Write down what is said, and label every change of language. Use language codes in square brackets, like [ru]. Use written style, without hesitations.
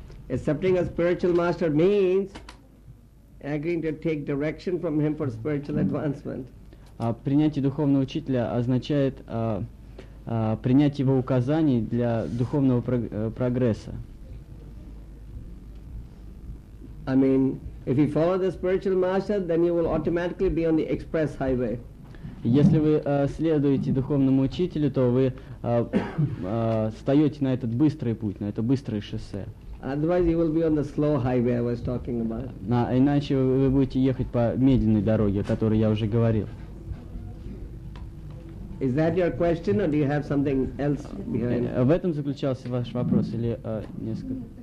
[en] Accepting a spiritual master means agreeing to take direction from him for spiritual advancement. [ru] Принятие духовного учителя означает принять его указаний для духовного прогресса. [en] I mean, if you follow the spiritual master, then you will automatically be on the express highway. [ru] Если вы следуете духовному учителю, то вы встаете на этот быстрый путь, на это быстрое шоссе. [en] Otherwise, you will be on the slow highway I was talking about. [ru] Иначе вы будете ехать по медленной дороге, о которой я уже говорил. [en] Is that your question, or do you have something else behind? [ru] В этом заключался ваш вопрос или несколько?